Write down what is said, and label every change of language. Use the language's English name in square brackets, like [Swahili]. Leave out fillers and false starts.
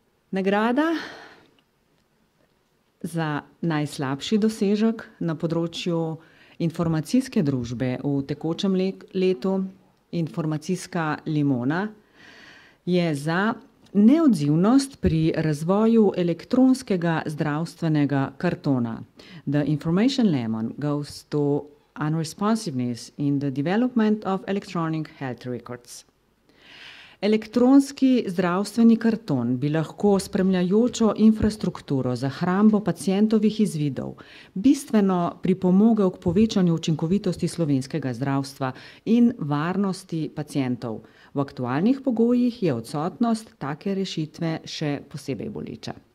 [Slovenian] Nagrada za najslabši dosežek na področju informacijske družbe v tekočem letu, informacijska limona, je za neodzivnost pri razvoju elektronskega zdravstvenega kartona. [English] The Information Lemon goes to unresponsiveness in the development of electronic health records. [Slovenian] Elektronski zdravstveni karton bi lahko spremljajočo infrastrukturo za hrambo pacientovih izvidov bistveno pripomogel k povečanju učinkovitosti slovenskega zdravstva in varnosti pacientov. V aktualnih pogojih je odsotnost take rešitve še posebej boleča.